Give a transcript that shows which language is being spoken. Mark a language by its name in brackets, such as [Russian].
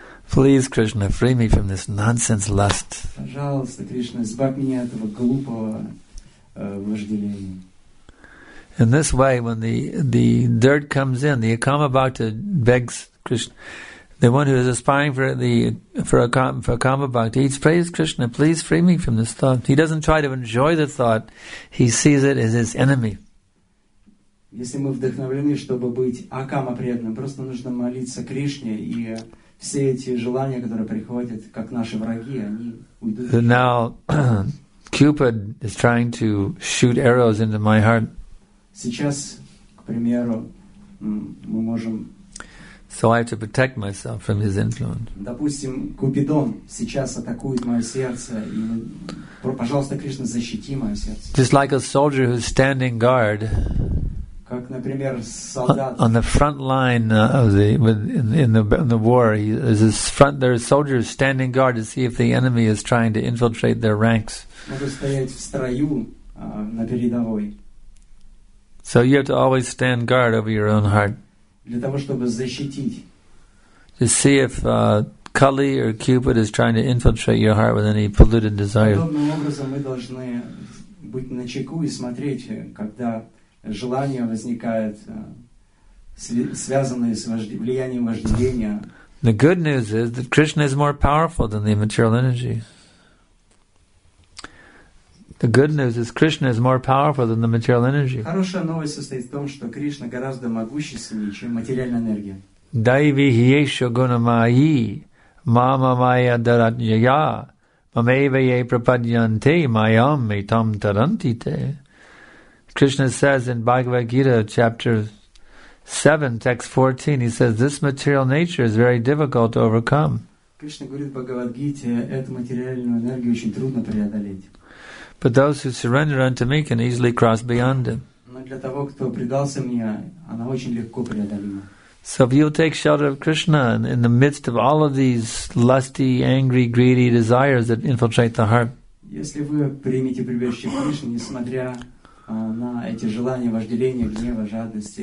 [English] Please, Krishna, free me from this nonsense lust. In this way, when the dirt comes in, the akama bhakta begs Krishna. The one who is aspiring for a karma bhakti, he prays Krishna, please free me from this thought. He doesn't try to enjoy the thought; he sees it as his enemy. [Russian] Если мы вдохновлены, чтобы быть акама преданным, просто нужно молиться Кришне, и все эти желания, которые приходят, как наши враги, они уйдут. [English] Now, Cupid is trying to shoot arrows into my heart. [Russian] Сейчас, к примеру, мы можем. [English] So I have to protect myself from his influence. [Russian] Допустим, Купидон сейчас атакует мое сердце, и, пожалуйста, Кришна, защити мое сердце. [English] Just like a soldier who's standing guard. [Russian] Как, например, солдат. [English] On the front line of the in the war, there's soldiers standing guard to see if the enemy is trying to infiltrate their ranks. [Russian] Надо стоять в строю на передовой. [English] So you have to always stand guard over your own heart. [Russian] Для того, чтобы защитить. [English] To see if Kali or Cupid is trying to infiltrate your heart with any polluted desires. [Russian] Подобным образом мы должны быть на чеку и смотреть, когда желание возникает, связанное с влиянием вожделения. [English] The good news is that Krishna is more powerful than the material energy. The good news is Krishna is more powerful than the material energy. [Russian] Хорошая новость состоит в том, что Кришна гораздо могущественнее, чем материальная энергия. [Sanskrit] Дайви хиешо гунамайи мама майя даратняя мамэйва ей пропадьянте майам мэйтам тарантите. [English] Krishna says in Bhagavad Gita, chapter 7, text 14, he says, this material nature is very difficult to overcome. [Russian] Кришна говорит в Бхагавад Гите, эту материальную энергию очень трудно преодолеть. [English] But those who surrender unto me can easily cross beyond it. [Russian] Но для того, кто предался мне, она очень легко преодолима. [English] So if you'll take shelter of Krishna in the midst of all of these lusty, angry, greedy desires that infiltrate the heart. [Russian] Если вы примете прибежище Кришны, несмотря на эти желания, вожделения, гнева, жадности,